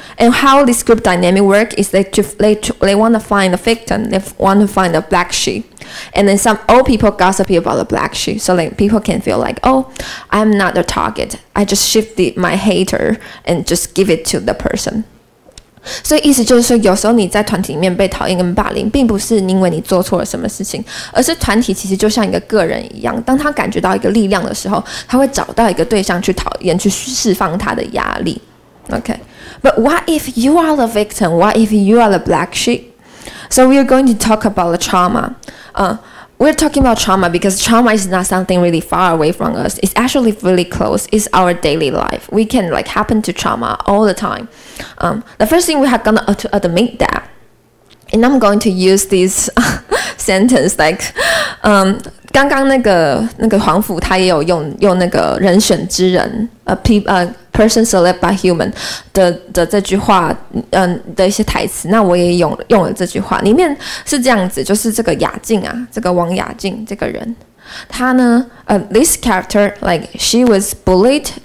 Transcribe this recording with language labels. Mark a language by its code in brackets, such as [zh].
[en] And how this group dynamic work is that they want to find a victim, they want to find a black sheep. And then some old people gossip about the black sheep, so like people can feel like, oh, I'm not the target. I just shift my hater and just give it to the person. [zh] 所以意思就是说，有时候你在团体里面被讨厌跟霸凌，并不是因为你做错了什么事情，而是团体其实就像一个个人一样，当他感觉到一个力量的时候，他会找到一个对象去讨厌，去释放他的压力。 [en] Okay. But what if you are the victim? What if you are the black sheep? So we are going to talk about the trauma. We're talking about trauma because trauma is not something really far away from us. It's actually really close. It's our daily life. We can like happen to trauma all the time. The first thing we have gonna to admit that, and I'm going to use this sentence like, [zh] 刚刚那个黄甫他也有用那个人选之人 [en] person selected by human [zh] 的这句话，的一些台词，那我也用了这句话，里面是这样子，就是这个雅静啊，这个王雅静这个人，他呢， [en] this character like she was bullied